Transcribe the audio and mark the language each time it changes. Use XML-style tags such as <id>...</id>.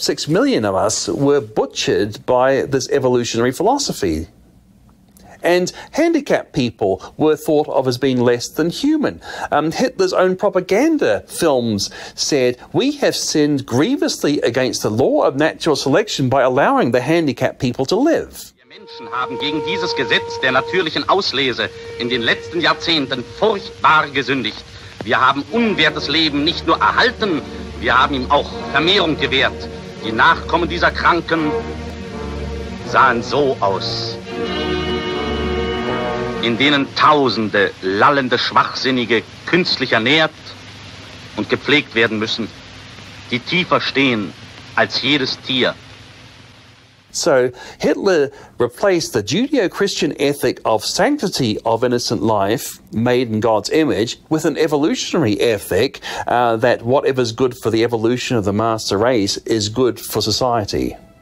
<en>6 million of us were butchered by this evolutionary philosophy. And handicapped people were thought of as being less than human. Hitler's own propaganda films said, "We have sinned grievously against the law of natural selection by allowing the handicapped people to live."</en> <de>Menschen haben gegen dieses Gesetz der natürlichen Auslese in den letzten Jahrzehnten furchtbar gesündigt. Wir haben unwertes Leben nicht nur erhalten, wir haben ihm auch Vermehrung gewährt. Die Nachkommen dieser Kranken sahen so aus. In denen tausende lallende Schwachsinnige künstlich ernährt und gepflegt werden müssen, die tiefer stehen als jedes Tier.</de> <en>So Hitler replaced the Judeo-Christian ethic of sanctity of innocent life made in God's image with an evolutionary ethic that whatever's good for the evolution of the master race is good for society.</en>